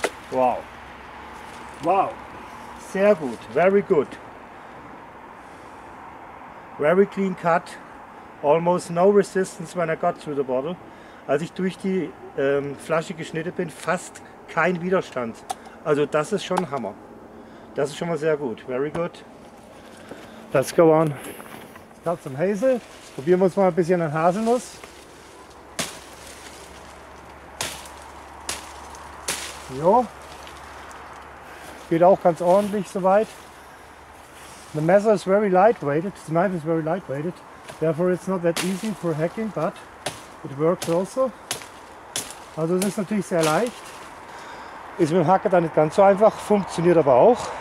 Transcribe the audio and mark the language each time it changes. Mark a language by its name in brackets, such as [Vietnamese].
[English] Wow, wow, [German] sehr gut, [English] very good, very clean cut, almost no resistance when I got through the bottle. [German] Als ich durch die Flasche geschnitten bin, fast kein Widerstand. Also das ist schon Hammer. Das ist schon mal sehr gut, [English] very good. Let's go on. Got some hazel. [German] Probieren wir uns mal ein bisschen an Haselnuss. Jo. Geht auch ganz ordentlich soweit. [English] The messer is very lightweighted. The knife is very lightweighted. Therefore it's not that easy for hacking, but it works also. [German] Also es ist natürlich sehr leicht. Ist mit dem Hacker dann nicht ganz so einfach, funktioniert aber auch.